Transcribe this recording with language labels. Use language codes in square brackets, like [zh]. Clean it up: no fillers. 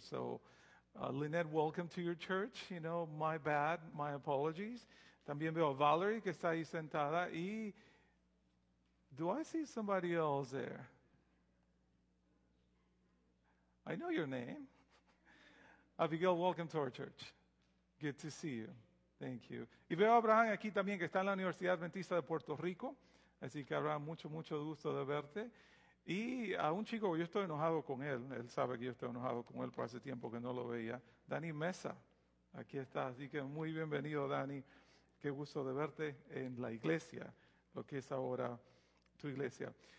[en] So, Lynette, welcome to your church. You know, my bad, my apologies. [es] También veo a Valerie que está ahí sentada. Y. [en] Do I see somebody else there? I know your name. Abigail, welcome to our church. Good to see you. Thank you. [es] Y veo a Abraham aquí también, que está en la Universidad Adventista de Puerto Rico. Así que Abraham, mucho, mucho gusto de verte. Y a un chico, yo estoy enojado con él. Él sabe que yo estoy enojado con él por hace tiempo que no lo veía. Dani Mesa, aquí está. Así que muy bienvenido, Dani. Qué gusto de verte en la iglesia, lo que es ahora tu iglesia.